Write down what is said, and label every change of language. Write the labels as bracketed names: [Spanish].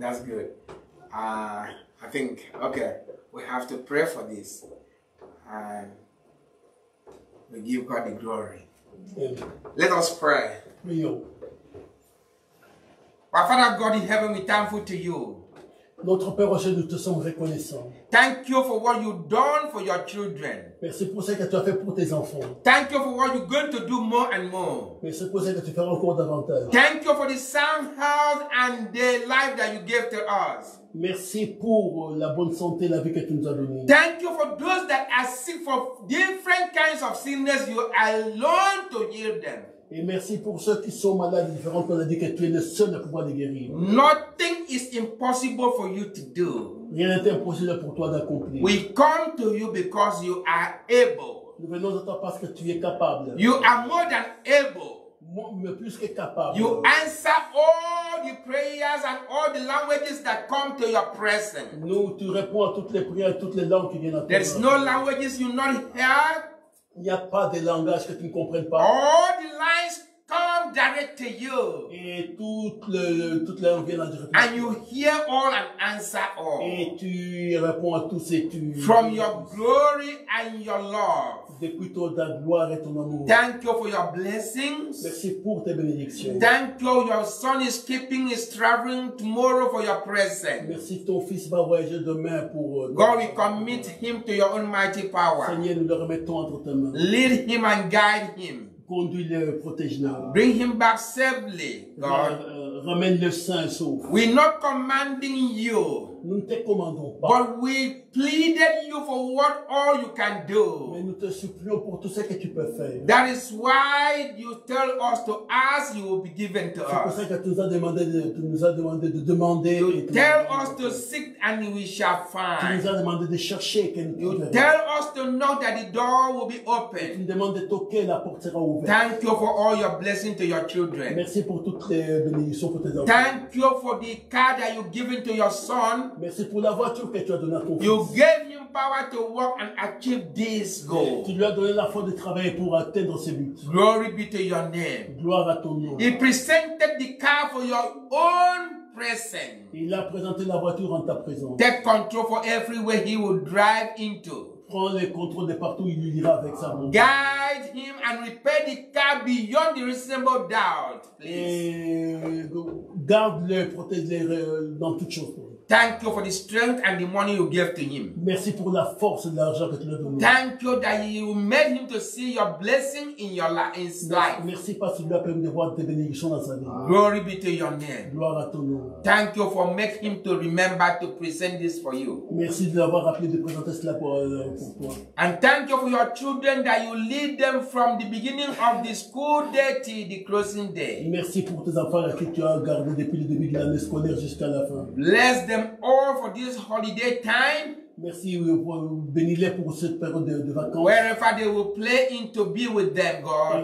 [English] That's good. I think, okay, we have to pray for this. And we give God the glory. Yeah. Let us pray. Pray. Our Father God in heaven, we're thankful to you. [French] Notre Père au ciel, nous te sommes reconnaissants. [English] Thank you for what you've done for your children. [French] Merci pour ce que tu as fait pour tes enfants. [English] Thank you for what you're going to do more and more. [French] Merci pour ce que tu feras encore davantage. [English] Thank you for the sound health and the life that you gave to us. [French] Merci pour la bonne santé, la vie que tu nous as donnée. [English] Thank you for those that are sick for different kinds of sickness, you alone to heal them. [French] Et merci pour ceux qui sont malades, différentes maladies, que tu es le seul à pouvoir les guérir. [English] Nothing is impossible for you to do. [French] Rien n'est impossible pour toi d'accomplir. [English] We come to you because you are able. [French] Nous venons à toi parce que tu es capable. [English] You are more than able. [French] Mais plus que capable. [English] You answer all the prayers and all the languages that come to your presence. [French] Nous, tu réponds à toutes les prières, toutes les langues qui viennent à toi. [English] There's no languages you not heard. [French] Il n'y a pas de langage que tu ne comprennes pas. [English] All the lines come direct to you. [French] Et toutes les langues viennent directement. [English] And you hear all and answer all. [French] Et tu réponds à tout ce que tu. [English] From your glory and your love. [French] Depuis ta gloire et ton amour. [English] Thank you for your blessings. [French] Merci pour tes bénédictions. [English] Thank you, your son is keeping his traveling tomorrow for your presence. [French] Merci, ton fils va voyager demain pour. [English] God, we commit him to your own mighty power. [French] Seigneur, nous le remettons entre tes mains. [English] Lead him and guide him. [French] Conduis-le, protège-le. [English] Bring him back safely, God. [French] Ramène-le sain et sauf. [English] We're not commanding you. [French] Nous ne te commandons pas. [English] But we pleaded you for what all you can do. [French] Mais nous te supplions pour tout ce que tu peux faire. [English] That is why you tell us to ask, you will be given to [French] c'est [English] us. [French] C'est pour ça que tu nous as demandé de demander. [English] You tell us to seek and we shall find. [French] Tu nous as demandé de chercher et que nous trouverons. [English] You tell us to knock that the door will be open. [French] Tu nous demandes de toquer, la porte sera ouverte. [English] Thank you for all your blessings to your children. [French] Merci pour toutes les bénédictions pour tes enfants. [English] Thank you for the car that you've given to your son. [French] Merci pour la voiture que tu as donné à ton fils. [English] You gave him power to walk and achieve this goal. [French] Tu lui as donné la force de travailler pour atteindre ce but. [English] Glory be to your name. [French] Gloire à ton nom. [English] He presented the car for your own presence. [French] Il a présenté la voiture en ta présence. [English] Take control for everywhere he will drive into. [French] Prends le contrôle de partout où il ira avec sa montre. [English] Guide him and repair the car beyond the reasonable doubt. Please. [French] Garde-le, protège-le dans toutes choses. [English] Thank you for the strength and the money you gave to him. [French] Merci pour la force et l'argent que tu lui as donné. [English] Thank you that you made him to see your blessing in your life. [French] Merci parce que tu lui as permis de voir tes bénédictions dans sa vie. [English] Glory be to your name. [French] Gloire à ton nom. [English] Thank you for making him to remember to present this for you. [French] Merci de l'avoir rappelé de présenter cela pour toi. [English] And thank you for your children that you lead them from the beginning of the school day to the closing day. [French] Merci pour tes enfants que tu as gardés depuis le début de l'année scolaire jusqu'à la fin. [English] Bless them all for this holiday time. [French] Merci, bénis-les pour cette période de vacances. [English] Wherever they will play in to be with them, God.